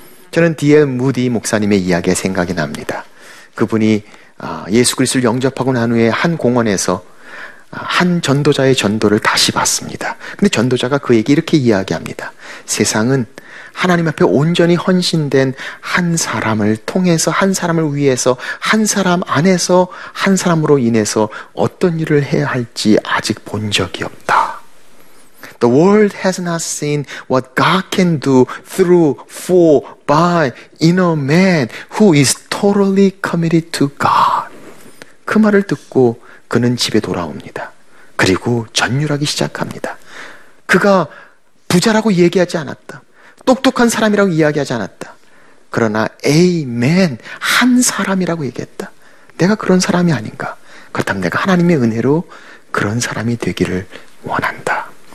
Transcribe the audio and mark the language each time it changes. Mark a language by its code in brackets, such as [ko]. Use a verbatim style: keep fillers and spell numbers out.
[ko] 저는 디엘 무디 목사님의 이야기에 생각이 납니다. 그분이 예수 그리스도를 영접하고 난 후에 한 공원에서 한 전도자의 전도를 다시 봤습니다. 근데 전도자가 그에게 이렇게 이야기합니다. 세상은 하나님 앞에 온전히 헌신된 한 사람을 통해서 한 사람을 위해서 한 사람 안에서 한 사람으로 인해서 어떤 일을 해야 할지 아직 본 적이 없다. [en] The world has not seen what God can do through, for, by, in a man who is totally committed to God. [ko] 그 말을 듣고 그는 집에 돌아옵니다. 그리고 전율하기 시작합니다. 그가 부자라고 얘기하지 않았다. 똑똑한 사람이라고 이야기하지 않았다. 그러나 에이맨 한 사람이라고 얘기했다. 내가 그런 사람이 아닌가. 그렇다면 내가 하나님의 은혜로 그런 사람이 되기를 원한다.